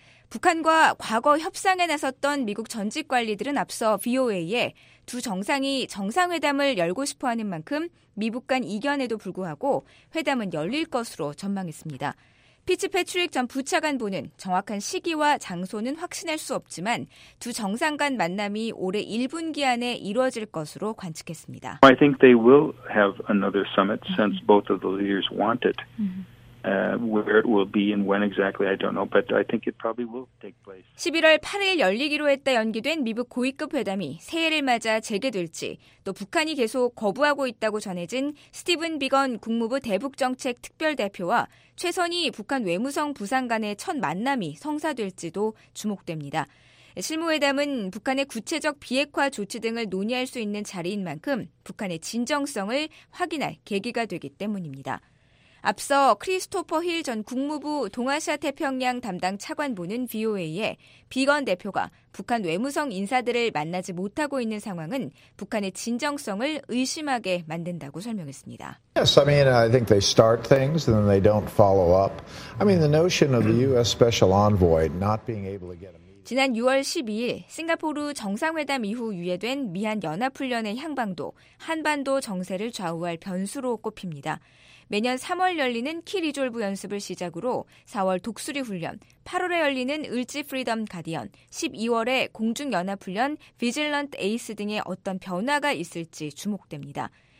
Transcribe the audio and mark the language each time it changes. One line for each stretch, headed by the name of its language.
Korean: 북한과 과거 협상에 나섰던 미국 전직 관리들은 앞서 VOA에 두 정상이 정상회담을 열고 싶어하는 만큼 미북 간 이견에도 불구하고 회담은 열릴 것으로 전망했습니다. 피츠 패트릭 전 부차관보는 정확한 시기와 장소는 확신할 수 없지만 두 정상 간 만남이 올해 1분기 안에 이루어질 것으로 관측했습니다.
English: I think they will have another summit since both of the leaders want it. Where it will be and when exactly, I don't know, but I think it probably will take place.
Korean: 11월 8일 열리기로 했다 연기된 미북 고위급 회담이 새해를 맞아 재개될지, 또 북한이 계속 거부하고 있다고 전해진 스티븐 비건 국무부 대북정책 특별대표와 최선희 북한 외무성 부상 간의 첫 만남이 성사될지도 주목됩니다. 실무회담은 북한의 구체적 비핵화 조치 등을 논의할 수 있는 자리인 만큼 북한의 진정성을 확인할 계기가 되기 때문입니다. 앞서 크리스토퍼 힐 전 국무부 동아시아 태평양 담당 차관보는 VOA에 비건 대표가 북한 외무성 인사들을 만나지 못하고 있는 상황은 북한의 진정성을 의심하게 만든다고 설명했습니다.
English: Yes, I mean, I think they start things and then they don't follow up. I mean, the notion of the U.S. special envoy not being able to get a
Korean: 지난 6월 12일 싱가포르 정상회담 이후 유예된 미한 연합훈련의 향방도 한반도 정세를 좌우할 변수로 꼽힙니다. 매년 3월 열리는 키리졸브 연습을 시작으로 4월 독수리 훈련, 8월에 열리는 을지 프리덤 가디언, 12월에 공중연합훈련 비질런트 에이스 등의 어떤 변화가 있을지 주목됩니다.